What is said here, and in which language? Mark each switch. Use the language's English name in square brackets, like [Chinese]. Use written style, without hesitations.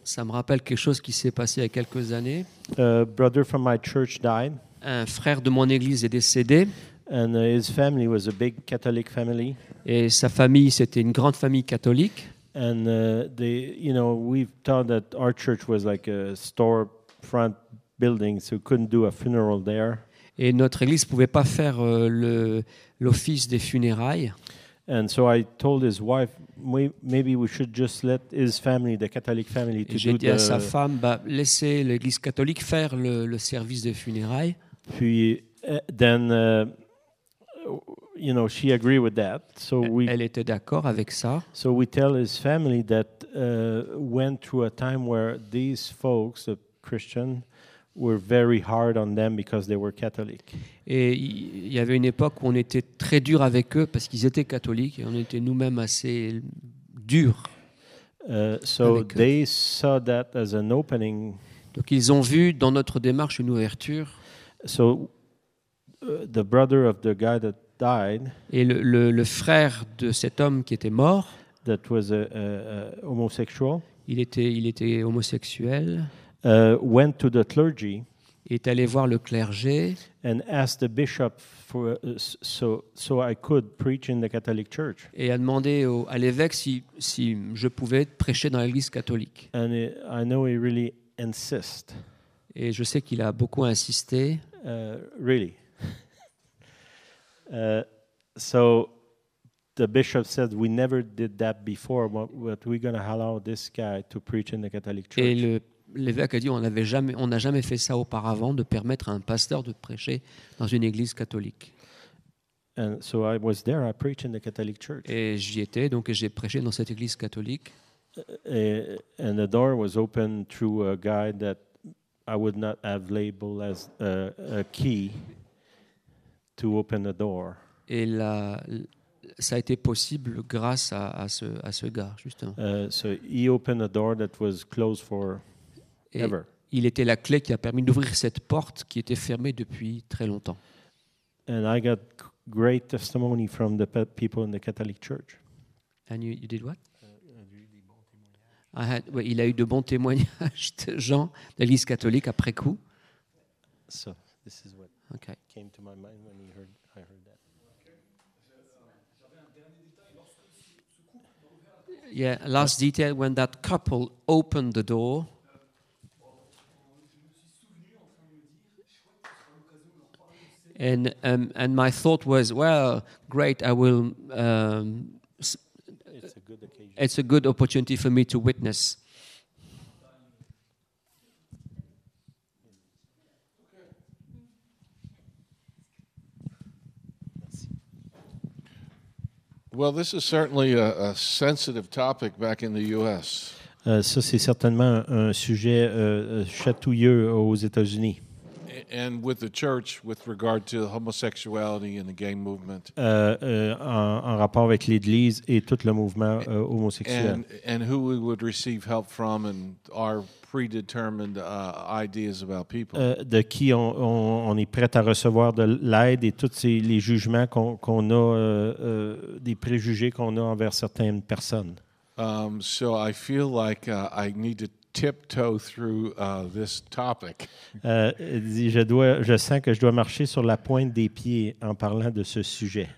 [French] Ça me rappelle quelque chose qui s'est passé il y a quelques années. [English] A brother from my church died. [French] Un frère de mon église est décédé. [English] And his family was a big Catholic family. [French] Et sa famille, c'était une grande famille catholique. [English] And they, you know, we've thought that our church was like a storefront building, so couldn't do a funeral there. [French] Et notre église pouvait pas faire l'office des funérailles. [English] And so I told his wife, maybe we should just let his family, the Catholic family, to do the. [French] Et j'ai dit à sa femme, laissez l'église catholique faire le service des funérailles. [English] Puis, then. You know, she agreed with that. So [French] elle était d'accord avec ça. [English] So we tell his family that went through a time where these folks, the Christian, were very hard on them because they were Catholic. [French] Et il y avait une époque où on était très dur avec eux parce qu'ils étaient catholiques et on était nous-mêmes assez durs. [English] So they saw that as an opening. [French] Donc ils ont vu dans notre démarche une ouverture. [English] So the brother of the guy that died, [French] et le frère de cet homme qui était mort, [English] that was a homosexual, [French] il était homosexuel, [English] went to the clergy, [French] est allé voir le clergé, [English] and asked the bishop for so I could preach in the Catholic Church, [French] et a demandé à l'évêque si je pouvais prêcher dans l'église catholique. [English] And I know he really insist, et je sais qu'il a beaucoup insisté, really. So the bishop said, we never did that before, but we're going to allow this guy to preach in the Catholic Church. [French] Et l'évêque a dit, on n'a jamais fait ça auparavant, de permettre à un pasteur de prêcher dans une église catholique. [English] And so I was there, I preached in the Catholic Church. [French] Et j'y étais, donc j'ai prêché dans cette église catholique. [English] And the door was opened through a guy that I would not have labeled as a key. To open the door. [French] Et ça a été possible grâce à ce gars, justement. [English] So he opened a door that was closed for ever. [French] Il était la clé qui a permis d'ouvrir cette porte qui était fermée depuis très longtemps. [English] And I got great testimony from the people in the Catholic Church. And you did what? [French] Il a eu de bons témoignages de gens de l'Église catholique après coup. [English] So this is what. Okay. Came to my mind when I heard that. Yeah, last detail, when that couple opened the door. And my thought was, great, I will. It's a good occasion. It's a good opportunity for me to witness. Well, this is certainly a sensitive topic back in the U.S. [French] Ça, c'est certainement un sujet chatouilleux aux États-Unis. [English] And with the church, with regard to homosexuality and the gay movement. [French] En rapport avec l'Église et tout le mouvement homosexuel. [English] And who we would receive help from and our predetermined ideas about people. [French] De qui on est prêt à recevoir de l'aide et tous les jugements qu'on a, des préjugés qu'on a envers certaines personnes. [English] So I feel like I need to tiptoe through this topic. [French] Je sens que je dois marcher sur la pointe des pieds en parlant de ce sujet.